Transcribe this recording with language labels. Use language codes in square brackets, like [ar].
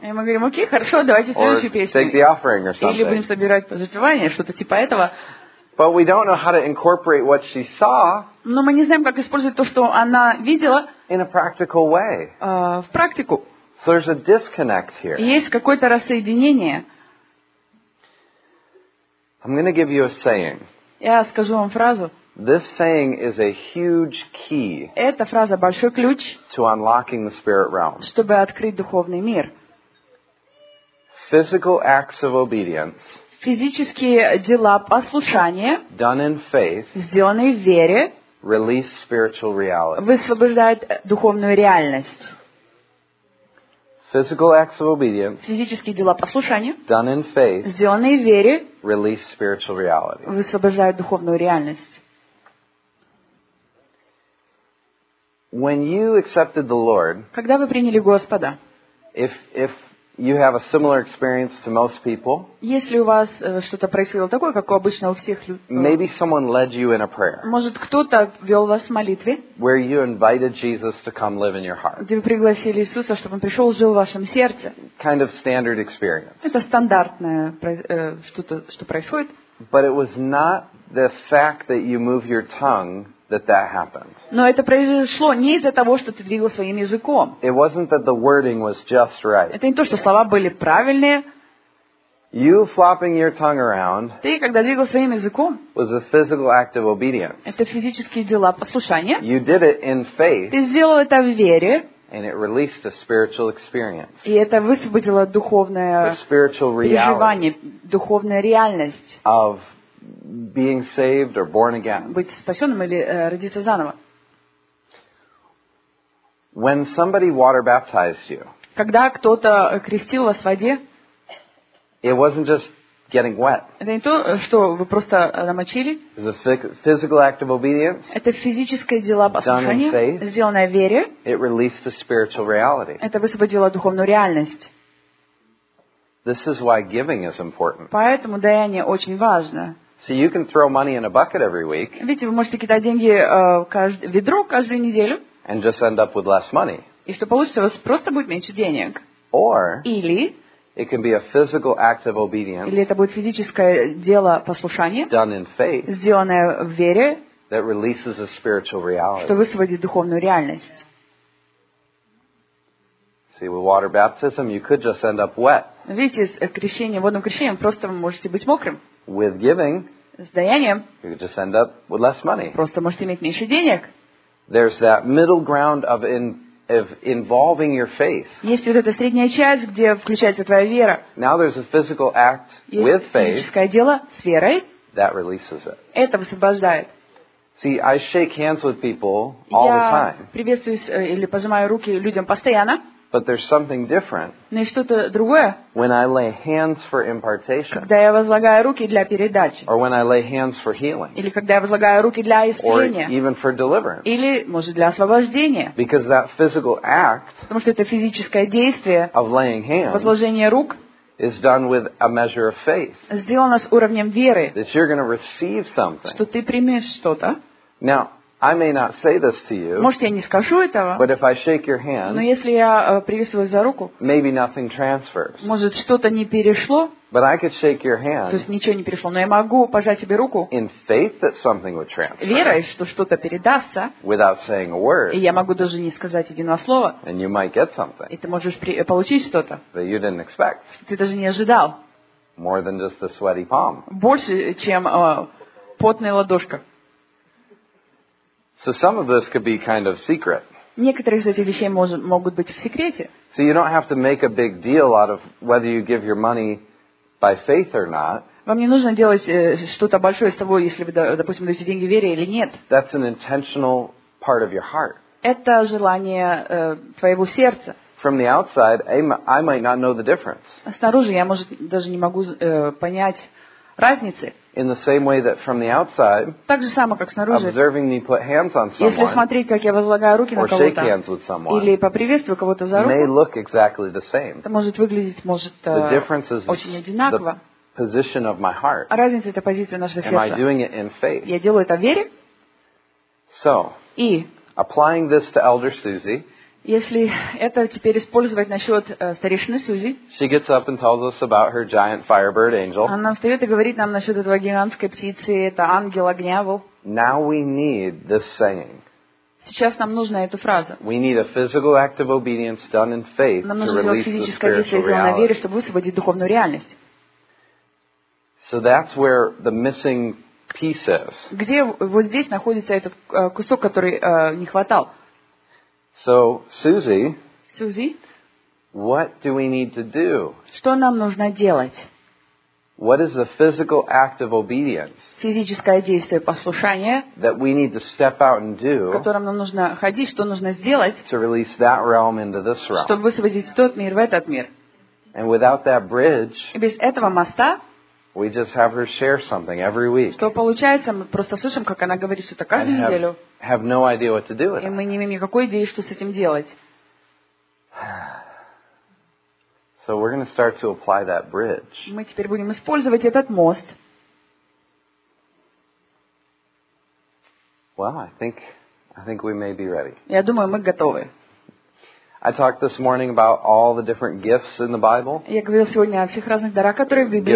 [ru] И мы говорим, окей, хорошо, давайте следующую песню. [en] Or take the offering or something. [ru] Или будем собирать пожертвования, что-то типа этого. [en] But we don't know how to incorporate what she saw. [ru] Но мы не знаем, как использовать то, что она видела. [en] In a practical way. [ru] В практику. [en] So there's a disconnect here. [ru] Есть какое-то рассоединение. [en] I'm going to give you a saying. [ru] Я скажу вам фразу. [en] This saying is a huge key. [ru] Эта фраза большой ключ. [en] To unlocking the spirit realm. [ru] Чтобы открыть духовный мир. [en] Physical acts of obedience. [ru] Физические дела послушания, [en] done in faith, [ru] сделанные в вере, [en] release spiritual reality. [ru] Высвобождает духовную реальность. [en] Physical acts of obedience, [ru] физические дела послушания, [en] done in faith, [ru] сделанные в вере, [en] release spiritual reality. [ru] Высвобождает духовную реальность. [en] When you accepted the Lord, [ru] когда вы приняли Господа, [en] if you have a similar experience to most people. [ru] Если у вас что-то происходило такое, как обычно у всех людей. [en] Maybe someone led you in a prayer. [ru] Может, кто-то вёл вас в молитве. [en] Where you invited Jesus to come live in your heart. [ru] Где вы пригласили Иисуса, чтобы он пришёл и жил в вашем сердце. [en] Kind of standard experience. [ru] Это стандартное что-то, что происходит. [en] But it was not the fact that you move your tongue. That happened. [ru] Но это произошло не из-за того, что ты двигал своим языком. [en] It wasn't that the wording was just right. [ru] Это не то, что слова были правильные. [en] You flopping your tongue around. [ru] Ты когда двигал своим языком. [en] Was a physical act of obedience. [ru] Это физические дела послушания. [en] You did it in faith. [ru] Ты сделал это в вере. [en] And it released a spiritual experience. [ru] И это высвободило духовное переживание, духовная реальность. [en] Of being saved or born again. [ru] Быть спасенным или родиться заново. [en] When somebody water baptized you. [ru] Когда кто-то крестил вас в воде. [en] It wasn't just getting wet. [ru] Это не то, что вы просто намочили. [en] It's a physical act of obedience. [ru] Это физическое дело послушания, сделанное в вере. [en] It released the spiritual reality. [ru] Это высвободило духовную реальность. [en] This is why giving is important. [ru] Поэтому даяние очень важно. [en] So you can throw money in a bucket every week. [ru] Видите, вы можете кидать деньги в ведро каждую неделю. [en] And just end up with less money. [ru] И что получится, у вас просто будет меньше денег. [en] Or. [ru] Или. [en] It can be a physical act of obedience. [ru] Или это будет физическое дело послушания. [en] Done in faith. [ru] Сделанное в вере. [en] That releases a spiritual reality. [ru] Что высвободит духовную реальность. [en] See, with water baptism, you could just end up wet. [ru] Видите, с крещением, водным крещением просто вы можете быть мокрым. [en] With giving, [ru] с даянием, [en] you could just end up with less money. [ru] Просто можете иметь меньше денег. [en] There's that middle ground of involving your faith. [ru] Есть вот эта средняя часть, где включается твоя вера. [en] Now there's a physical act with faith. [ru] Есть физическое дело с верой. [en] That releases it. [ru] Это высвобождает. [en] See, I shake hands with people all the time. [ru] Я приветствуюсь или пожимаю руки людям постоянно. [en] But there's something different. [ru] Но есть что-то другое. [en] When I lay hands for impartation. [ru] Когда я возлагаю руки для передачи. [en] Or when I lay hands for healing. [ru] Или когда я возлагаю руки для исцеления. [en] Or even for deliverance. [ru] Или, может, для освобождения. [en] Because that physical act. [ru] Потому что это физическое действие. [en] Of laying hands. [ru] Возложение рук. [en] Is done with a measure of faith. [ru] Сделано с уровнем веры. [en] That you're going to receive something. [ru] Что ты примешь что-то. [en] Now, I may not say this to you. [ru] Может, я не скажу этого. [en] But if I shake your hand. [ru] Но если я приветствую за руку. [en] Maybe nothing transfers. [ru] Может, что-то не перешло. [en] But I could shake your hand. [ru] То есть ничего не перешло, но я могу пожать тебе руку. [en] In faith that something would transfer. [ru] Верой, что что-то передастся. [en] Without saying a word. [ru] И я могу даже не сказать единого слова. [en] And you might get something. [ru] И ты можешь получить что-то. [en] That you didn't expect. [ru] Что ты даже не ожидал. [en] More than just a sweaty palm. [ru] Больше, чем потная ладошка. [en] So some of this could be kind of secret. [ru] Некоторые из этих вещей могут быть в секрете. [en] So you don't have to make a big deal out of whether you give your money by faith or not. [ru] Вам не нужно делать что-то большое из того, если вы, допустим, даете деньги вере или нет. [en] That's an intentional part of your heart. [ru] Это желание твоего сердца. [en] From the outside, I might not know the difference. [ru] Снаружи я, может, даже не могу понять разницы. [en] In the same way that from the outside, [ru] так же само, как снаружи, [en] observing me put hands on someone, [ru] если смотреть, как я возлагаю руки на кого-то, [en] or shake hands with someone, [ru] или поприветствую кого-то за руку, [en] may look exactly the same. [ru] Это может выглядеть, может, [en] the difference is [ru] очень одинаково. [en] The position of my heart. [ru] А разница — это позиция нашего сердца. [en] Am I doing it in faith? [ru] Я делаю это в вере. [en] So, [ru] и, [en] applying this to Elder Susie, [ru] если это теперь использовать насчет старейшины Сьюзи, [en] she gets up and tells us about her giant firebird angel. [ru] Она встает и говорит нам насчет этого гигантской птицы, это ангел огня. [en] Now we need this saying. [ru] Сейчас нам нужна эта фраза. [en] We need a physical act of obedience done in faith. [ru] Нам нужно сделать физическое действие, сделанное в вере, чтобы высвободить духовную реальность. [en] So that's where the missing piece is. [ru] Где вот здесь находится этот кусок, который не хватал? [en] So, Susie, [ru] Susie, [en] what do we need to do? [ru] Что нам нужно делать? [en] What is the physical act of obedience? [ru] Физическое действие послушания. [en] That we need to step out and do. [ru] Которым нам нужно ходить, что нужно сделать? [en] To release that realm into this realm. [ru] Чтобы высвободить тот мир в этот мир. [en] And without that bridge. [ru] И без этого моста. [en] We just have her share something every week. [ru] Что получается, мы просто слышим, как она говорит что-то каждую неделю. [en] Have no idea what to do with it. [ru] И мы не имеем никакой идеи, что с этим делать. [en] So we're going to start to apply that bridge. [ru] Мы теперь будем использовать этот мост. [en] Well, I think we may be ready. [ru] Я думаю, мы готовы. [en] I talked this morning about all the different gifts in the Bible. [ru] Я говорил сегодня о всех разных дарах, которые в Библии.